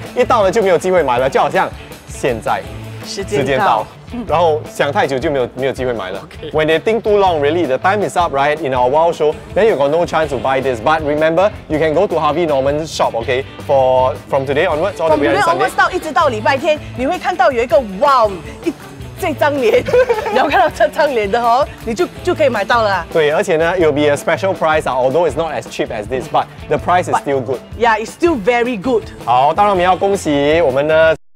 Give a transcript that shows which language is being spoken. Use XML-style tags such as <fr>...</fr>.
<zh>也是不错啊。哎，很重要，这个很重要，整个感觉会更棒。哦，我跟你讲，间只有15台。对，我们每次这样很努力的跟你们讲提醒，就是每次人家一考虑，时间就到了嘞，一到了就没有机会买了，就好像现在。时间到，然后想太久就没有机会买了。Okay.</zh> <en>When they think too long, really, the time is up, right? In our wow show, then you got no chance to buy this. But remember, you can go to Harvey Norman's shop, okay? From today onwards, all the way on Sunday. From today onwards</en> <zh>到一直到礼拜天，你会看到有一个 wow 这张脸，你要看到这张脸的哦，你就可以买到了啦。对，而且呢</zh> <en>，it'll be a special price 啊 ，although it's not as cheap as this, but the price is still good. Yeah, it's still very good.</en> <zh>好，当然我们要恭喜我们呢。</zh>